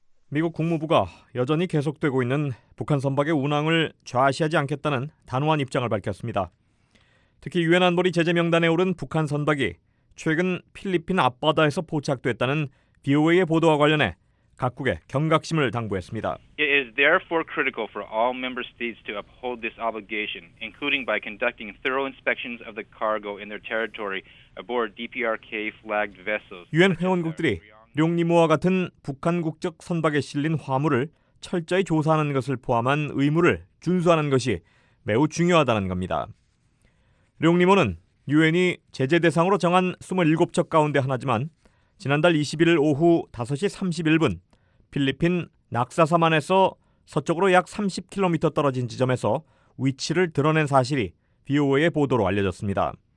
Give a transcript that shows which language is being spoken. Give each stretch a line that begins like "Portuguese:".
Korean: 미국 국무부가 여전히 계속되고 있는 북한 선박의 운항을 좌시하지 않겠다는 단호한 입장을 밝혔습니다. 특히 유엔 안보리 제재 명단에 오른 북한 선박이 최근 필리핀 앞바다에서 포착됐다는 VOA의 보도와 관련해 각국에 경각심을 당부했습니다.
English: It is therefore critical for all member states to uphold this obligation, including by conducting thorough inspections of the cargo in their territory aboard DPRK flagged vessels.
Korean: 유엔 회원국들이 룡니모와 같은 북한 국적 선박에 실린 화물을 철저히 조사하는 것을 포함한 의무를 준수하는 것이 매우 중요하다는 겁니다. 룡니모는 유엔이 제재 대상으로 정한 27척 가운데 하나지만 지난달 21일 오후 5시 31분 필리핀 낙사사만에서 서쪽으로 약 30km 떨어진 지점에서 위치를 드러낸 사실이 VOA의 보도로 알려졌습니다.